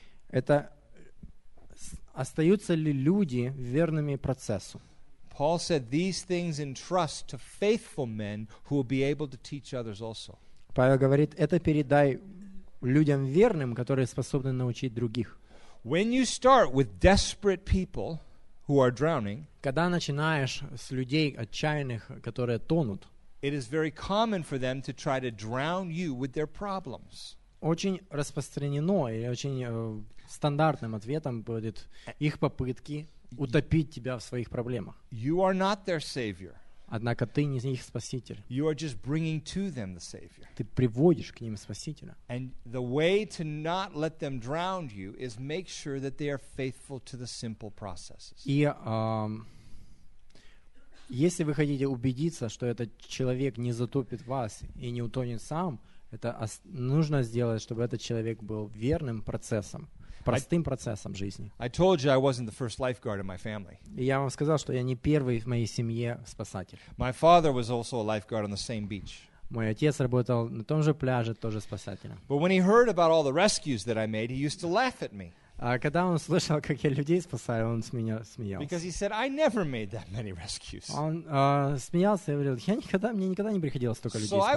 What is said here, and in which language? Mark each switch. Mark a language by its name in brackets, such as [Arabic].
[Russian] Это остаются ли люди верными процессу? [English] Paul said these things entrust to faithful men who will be able to teach others also. [Russian] Павел говорит, это передай людям верным, которые способны научить других. [English] When you start with desperate people who are drowning, [Russian] когда начинаешь с людей отчаянных, которые тонут, [English] it is very common for them to try to drown you with their problems. [Russian] Очень распространено и очень стандартным ответом будет их попытки утопить тебя в своих проблемах. [English] You are not their savior. [Russian] Однако ты не их спаситель. [English] You are just bringing to them the savior. [Russian] Ты приводишь к ним спасителя. [English] And the way to not let them drown you is make sure that they are faithful to the simple processes. [Russian] И если вы хотите убедиться, что этот человек не затопит вас и не утонет сам, это нужно сделать, чтобы этот человек был верным процессом, простым процессом жизни. [English] I told you I wasn't the first lifeguard in my family. [Russian] И я вам сказал, что я не первый в моей семье спасатель. [English] My father was also a lifeguard on the same beach. [Russian] Мой отец работал на том же пляже, тоже спасателем. [English] But when he heard about all the rescues that I made, he used to laugh at me. [Russian] А когда он слышал, как я людей спасаю, он с меня смеялся. [English] Because he said, I never made that many rescues. [Russian] Он смеялся и говорил, мне никогда не приходилось столько людей спасать.